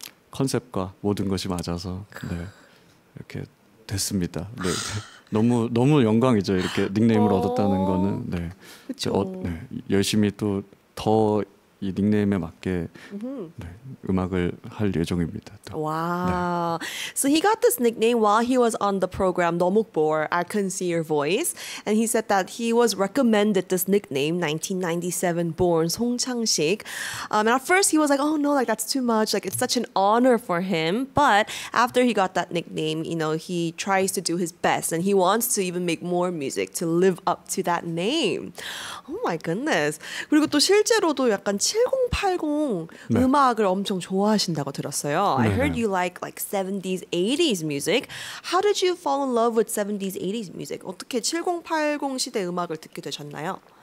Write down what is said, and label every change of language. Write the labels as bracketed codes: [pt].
[ko] 컨셉과 모든 것이 맞아서 네. 이렇게 됐습니다. 네. 너무 너무 영광이죠. 이렇게 닉네임을 얻었다는 거는 네. 네. 열심히 또 더 이 닉네임에 맞게 네, 음악을 할 예정입니다. 와, wow. 네. [en] So he got this nickname while he was on the program 너목보어, I Couldn't See Your Voice, and he said that he was recommended this nickname 1997-born 송창식. And at first he was like, oh no, like that's too much, like it's such an honor for him. But after he got that nickname, you know, he tries to do his best, and he wants to even make more music to live up to that name. Oh my goodness. [ko] 그리고 또 실제로도 약간 7080 네. 음악을 엄청 좋아하신다고 들었어요. [en] 네. I heard you like 70s, 80s music. How did you fall in love with 70s, 80s music? [ko] 어떻게 7080 시대 음악을 듣게 되셨나요?